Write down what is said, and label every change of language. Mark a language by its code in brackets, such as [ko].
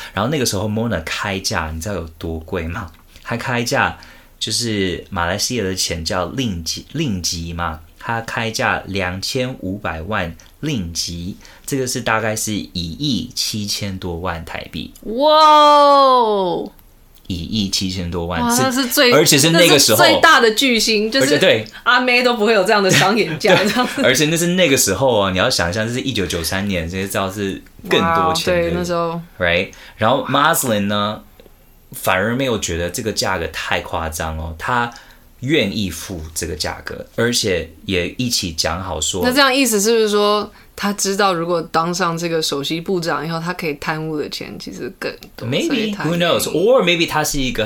[zh] 然后那个时候 Mona 开价，你知道有多贵吗？他开价就是马来西亚的钱叫令吉嘛，他开价2500万令吉，这个是大概是1亿7000多万台币。哇， 1亿7000多万，是，那是最，而且是那个时候最大的巨星，就是对阿妹都不会有这样的商演价，而且那是那个时候哦，你要想一下，这是1993年，这些知道是更多钱的，对，那时候，right， 然后 Maslin 呢？反而没有觉得这个价格太夸张哦，他愿意付这个价格，而且也一起讲好说。那这样意思是不是说，他知道如果当上这个首席部长以后，他可以贪污的钱其实更多 [en] ？Maybe who knows? Or maybe [zh] 他是一个